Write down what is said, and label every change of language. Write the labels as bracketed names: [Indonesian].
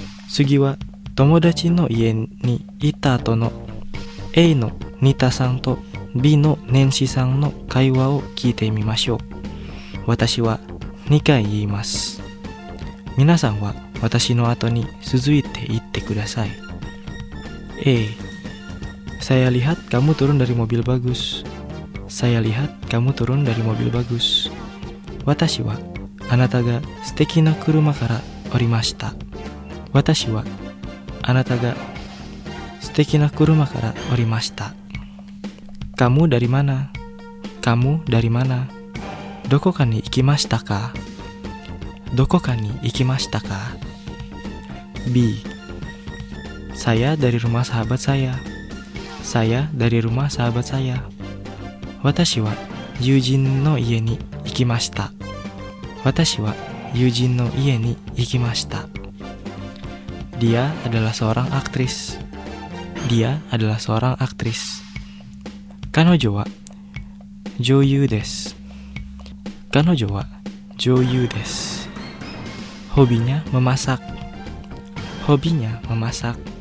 [Japanese] 次は友達の家に行った後の A のニタさんと B のネンシさんの会話を聞いてみましょう。私は2回言います。皆さんは私の後に続いて言ってください。 A. [Indonesian] Saya lihat kamu turun dari mobil bagus. Saya lihat kamu turun dari mobil bagus. [Japanese] 私はあなたが素敵な車から降りました。私はあなたが素敵な車から降りました。 [Indonesian] Kamu dari mana? Kamu dari mana? [Japanese] どこかに行きましたか?どこかに行きましたか? B. [Indonesian] Saya dari rumah sahabat saya. Saya dari rumah sahabat saya. [Japanese] 私は友人の家に行きました。私は友人の家に行きました。 [Indonesian] Dia adalah seorang aktris. Dia adalah seorang aktris. [Japanese] Kanojo wa joyu desu. Kanojo wa joyu desu. [Indonesian] Hobinya memasak. Hobinya memasak.